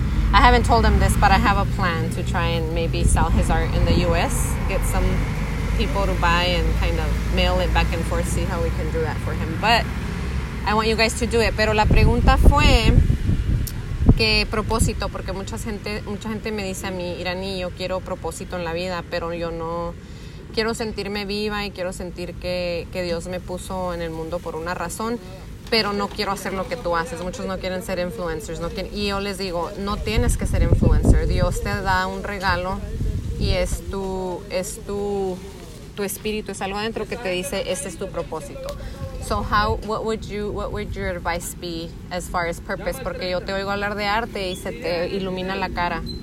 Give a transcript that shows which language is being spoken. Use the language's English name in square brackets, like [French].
[English] I haven't told him this, but I have a plan to try and maybe sell his art in the U.S., get some people to buy and kind of mail it back and forth, see how we can do that for him. But I want you guys to do it. [Spanish] Pero la pregunta fue, ¿qué propósito? Porque mucha gente me dice a mí, Irani, yo quiero propósito en la vida, pero yo no quiero sentirme viva y quiero sentir que Dios me puso en el mundo por una razón, pero no quiero hacer lo que tú haces. Muchos no quieren ser influencers. Y yo les digo, no tienes que ser influencer. Dios te da un regalo y es tu espíritu, es algo adentro que te dice, este es tu propósito. [English] So what would your advice be as far as purpose? [Spanish] Porque yo te oigo hablar de arte y se te ilumina la cara.